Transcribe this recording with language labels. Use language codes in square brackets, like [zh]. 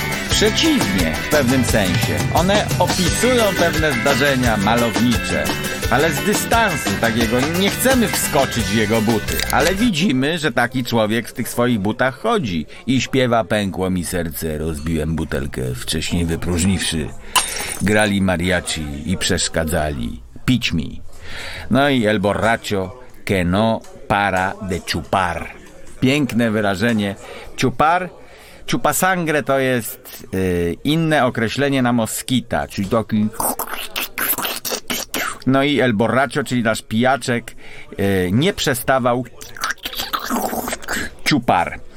[pl] Przeciwnie, w pewnym sensie. One opisują pewne zdarzenia malownicze, ale z dystansu takiego. Nie chcemy wskoczyć w jego buty, ale widzimy, że taki człowiek w tych swoich butach chodzi i śpiewa: pękło mi serce, rozbiłem butelkę, wcześniej wypróżniwszy. Grali mariachi i przeszkadzali. Pić mi. [es] No i El Borracho, que no para de chupar. [pl] Piękne wyrażenie. Chupar, chupa sangre to jest inne określenie na moskita, czyli taki... No i El Borracho, czyli nasz pijaczek, nie przestawał chupar.